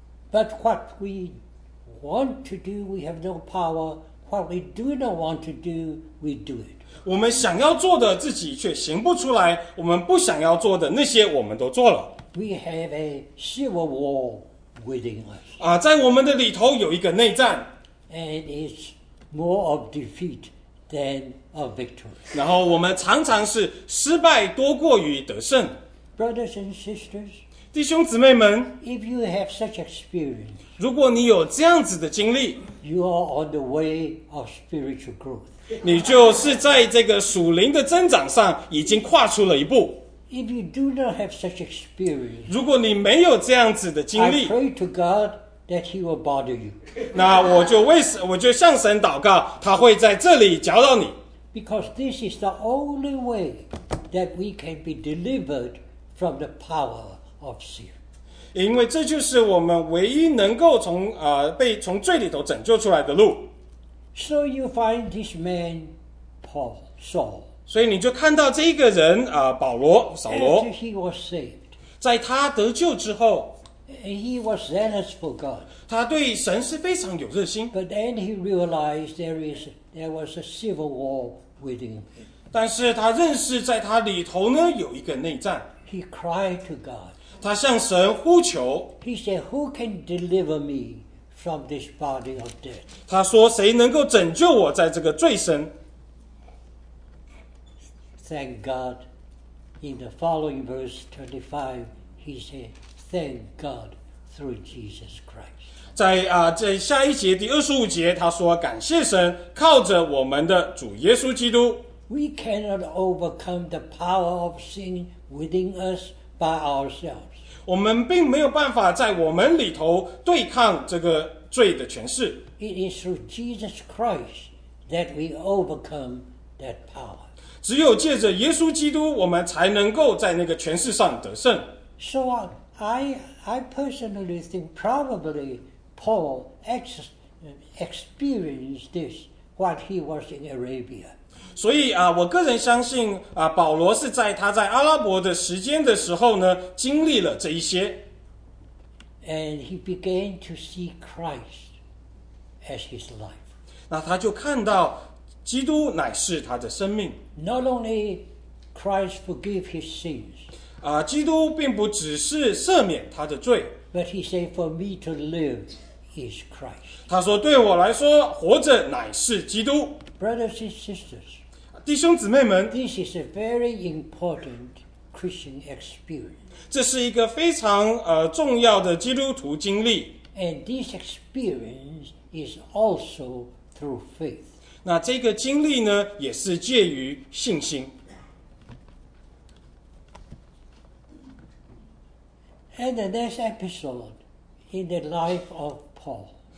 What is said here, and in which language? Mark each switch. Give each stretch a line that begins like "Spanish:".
English: But what we want to do, we have no power. What we do not want to do, we do it.
Chinese: 我们想要做的自己却行不出来，我们不想要做的那些我们都做了。
English: We have a civil war within us.
Chinese: 啊，在我们的里头有一个内战。
English: And it's more of defeat than of victory.
Chinese: 然后我们常常是失败多过于得胜。
English: Brothers and sisters,
Chinese: 弟兄姊妹们，
English: if you have such experience,
Chinese: 如果你有这样子的经历，
English: you are on the way of spiritual growth.
Chinese: 你就是在这个属灵的增长上已经跨出了一步。
English: If you do not have such experience,
Chinese: 如果你没有这样子的经历，
English: I pray to God that he will bother you.
Chinese: 那我就向神祷告，他会在这里搅扰你。
English: Because this is the only way that we can be delivered from the power of sin.
Chinese: 因为这就是我们唯一能够从被从罪里头拯救出来的路。
English: So you find this man, Paul, Saul.
Chinese: 所以你就看到这个人保罗，扫罗。
English: After he was saved.
Chinese: 在他得救之后。
English: He was zealous for God.
Chinese: 他对神是非常有热心。
English: But then he realized there was a civil war within him.
Chinese: 但是他认识在他里头呢有一个内战。
English: He cried to God.
Chinese: 他向神呼求。
English: He said, "Who can deliver me from this body of death?"
Chinese: 他说谁能够拯救我在这个罪身。
English: Thank God. In the following verse 25, he said. Thank God through Jesus Christ.
Chinese: 在下一节第二十五节，他说：“感谢神，靠着我们的主耶稣基督。”
English: We cannot overcome the power of sin within us by ourselves.
Chinese: 我们并没有办法在我们里头对抗这个罪的权势。
English: It is through Jesus Christ that we overcome that power.
Chinese: 只有借着耶稣基督，我们才能够在那个权势上得胜。
English: So on. I personally think probably Paul experienced this while he was in Arabia.
Chinese: 所以啊，我个人相信啊，保罗是在他在阿拉伯的时间的时候呢，经历了这一些。
English: And he began to see Christ as his life.
Chinese: 那他就看到基督乃是他的生命。
English: Not only Christ forgave his sins.
Chinese: 基督并不只是赦免他的罪。
English: But he said, "For me to live is Christ."
Chinese: 他说，对我来说，活着乃是基督。
English: Brothers and sisters,
Chinese: 弟兄姊妹们
English: ，This is a very important Christian experience.
Chinese: 这是一个非常重要的基督徒经历。
English: And this experience is also through faith.
Chinese: 那这个经历呢，也是介于信心。
English: And the next episode in the life of Paul.